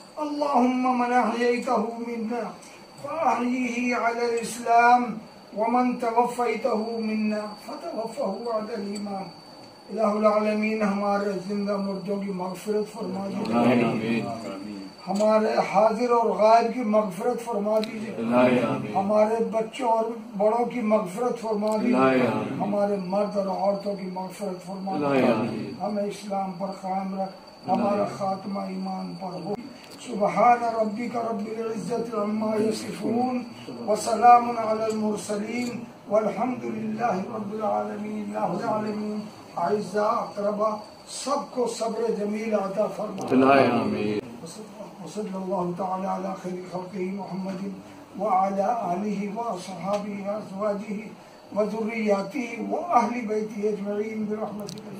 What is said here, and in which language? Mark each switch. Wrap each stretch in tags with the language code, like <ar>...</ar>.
<ar>اللهم من أحييته منا فأحييه على الإسلام ومن توفيته منا فتوفه على الإيمان.</ar> <ur>إله العالمين همارة زندہ مرجو کی مغفرت فرما دیجئے، ہمارے حاضر اور غائب کی مغفرت فرما دیجئے، ہمارے بچوں اور بڑوں کی مغفرت فرما دیجئے، ہمارے مرد اور عورتوں کی مغفرت فرما دیجئے، ہمیں اسلام پر قائم رکھ، ہمارا خاتمہ ایمان پر ہو.</ur> <ar>سبحان ربک رب العزت عما یصفون وسلام علی المرسلین والحمد للہ رب العالمین.</ar> <ur>اللہ العالمین اعزاء اقربا سب کو صبر جمیل عطا فرما.</ur> <ar>وصلى الله تعالى على خير خلقه محمد وعلى آله وأصحابه وأزواجه وذرياته وأهل بيته أجمعين برحمتك</ar>